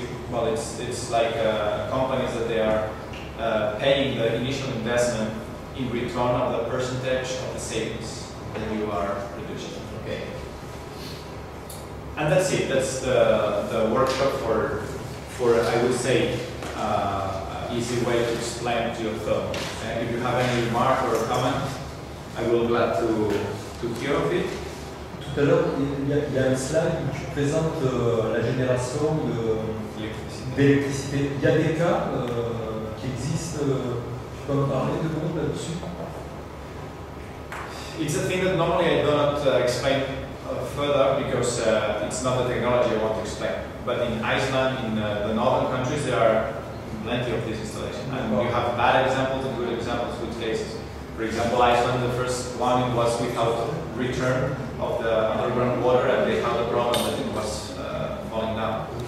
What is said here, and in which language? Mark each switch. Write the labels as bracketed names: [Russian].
[English] Well, it's like companies that they are paying the initial investment in return of the percentage of the savings that you are producing. Okay, and that's it. That's the workshop for I would say. Easy way to explain to your film. And if you have any remark or comment, I will be glad to hear of it. [French] Tout à l'heure, il y a un slide où tu présentes la génération d'électricité. Il y a des cas qui existent. Tu peux en parler de nouveau là-dessus? [English] It's a thing that normally I don't explain further because it's not the technology I want to explain. But in Iceland, in the northern countries, there are plenty of this installation, and you have bad examples and good examples, good cases. For example, Iceland, the first one was without return of the underground water, and they had a problem that it was falling down.